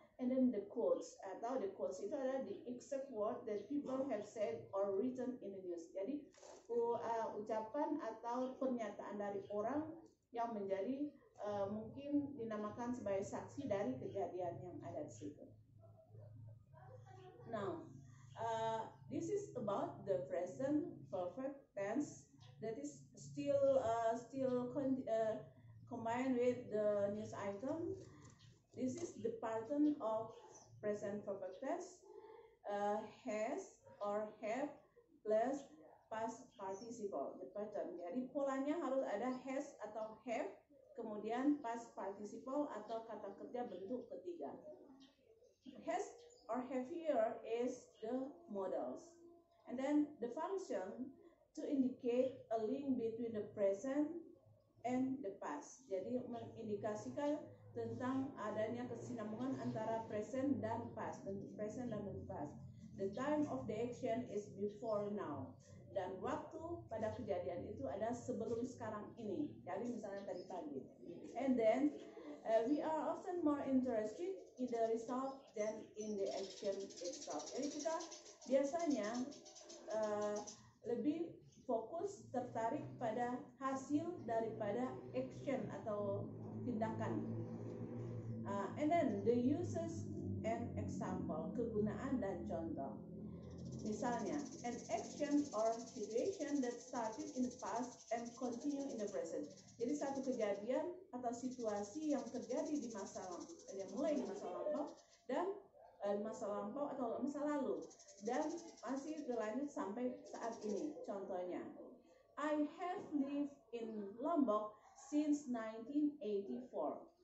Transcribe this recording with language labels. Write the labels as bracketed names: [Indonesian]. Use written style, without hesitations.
[English] And then the quotes, atau the quotes [Indonesian] itu adalah [English] the exact word that people have said or written in the news. [Indonesian] Jadi ucapan atau pernyataan dari orang yang menjadi mungkin dinamakan sebagai saksi dari kejadian yang ada di situ. [English] Now, this is about the present perfect tense that is still combined with the news item. This is the pattern of present perfect tense, has or have plus past participle. [Indonesian] The pattern, jadi polanya harus ada has atau have, kemudian past participle atau kata kerja bentuk ketiga. [English] Has or have here is the models. And then the function to indicate a link between the present and the past. [Indonesian] Jadi mengindikasikan tentang adanya kesinambungan antara present dan past, bentuk present dan bentuk past. [English] The time of the action is before now. [Indonesian] Dan waktu pada kejadian itu ada sebelum sekarang ini. Jadi misalnya tadi pagi. [English] And then we are often more interested in the result than in the action itself. [Indonesian] Jadi kita biasanya lebih fokus tertarik pada hasil daripada action atau tindakan. [English] And then the uses and example, [Indonesian] kegunaan dan contoh. [English] Misalnya, an action or situation that started in the past and continue in the present. [Indonesian] Jadi satu kejadian atau situasi yang terjadi di masa lampau, yang mulai di masa lampau dan masa lampau atau masa lalu dan masih berlanjut sampai saat ini. Contohnya, [English] I have lived in Lombok since 1984.